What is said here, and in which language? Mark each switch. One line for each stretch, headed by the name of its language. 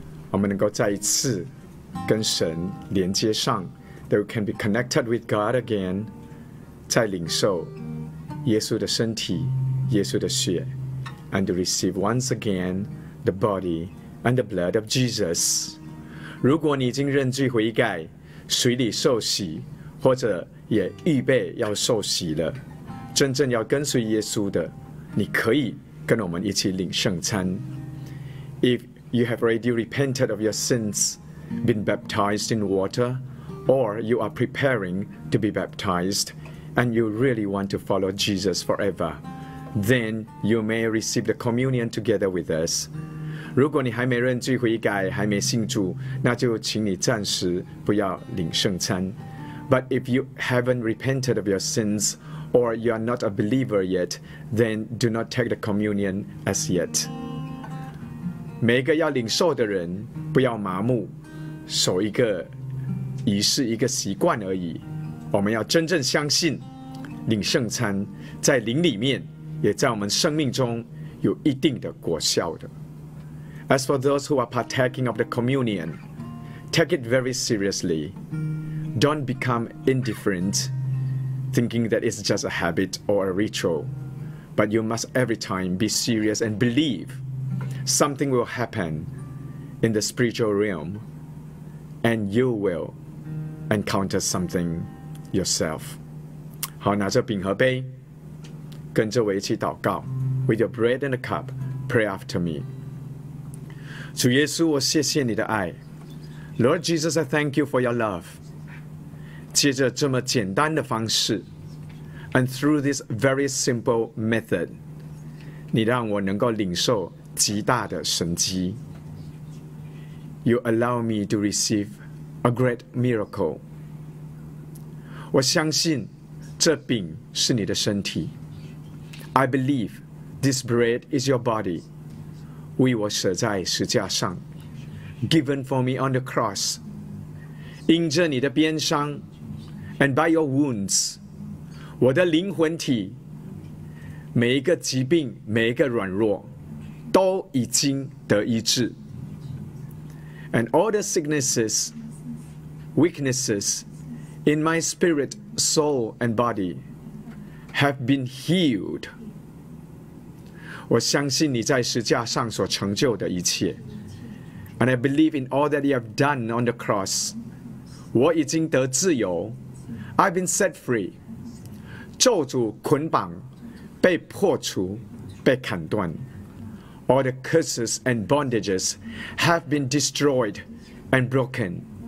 Chinese: 我们能够再一次跟神连接上
English: ，that we can be connected with God again，
Chinese: 再领受耶稣的身体、耶稣的血
English: ，and to receive once again the body and the blood of Jesus。
Chinese: 如果你已经认罪悔改、水里受洗，或者也预备要受洗了，真正要跟随耶稣的，你可以跟我们一起领圣餐。
English: If you have already repented of your sins, been baptized in water, or you are preparing to be baptized, and you really want to follow Jesus forever, then you may receive the communion together with us.
Chinese: 如果你还没认罪悔改，还没信主，那就请你暂时不要领圣餐。
English: But if you haven't repented of your sins, or you are not a believer yet, then do not take the communion as yet.
Chinese: 每一个要领受的人不要麻木守一个仪式一个习惯而已，我们要真正相信领圣餐在灵里面也在我们生命中有一定的果效的。
English: As for those who are partaking of the communion, take it very seriously. Don't become indifferent, thinking that it's just a habit or a ritual, but you must every time be serious and believeSomething will happen in the spiritual realm, and you will encounter something yourself.
Chinese: 好，拿着饼和杯，跟着我一起祷告。
English: With your bread and a cup, pray after me.
Chinese: 主耶稣，我谢谢你的爱。
English: Lord Jesus, I thank you for your love.
Chinese: 借着这么简单的方式 ，
English: and through this very simple method,
Chinese: 你让我能够领受。极大的神迹。
English: You allow me to receive a great miracle.
Chinese: 我相信这饼是你的身体。
English: I believe this bread is your body,
Chinese: 为我舍在十架上，
English: given for me on the cross.
Chinese: 因着你的鞭伤
English: and by your wounds,
Chinese: 我的灵魂体每一个疾病每一个软弱都已经得医治。
English: And all the sicknesses, weaknesses in my spirit, soul and body have been healed.
Chinese: 我相信你在十架上所成就的一切。
English: And I believe in all that you have done on the cross.
Chinese: 我已经得自由。
English: I've been set free.
Chinese: 咒诅捆绑被破除被砍断。
English: All the curses and bondages have been destroyed and broken.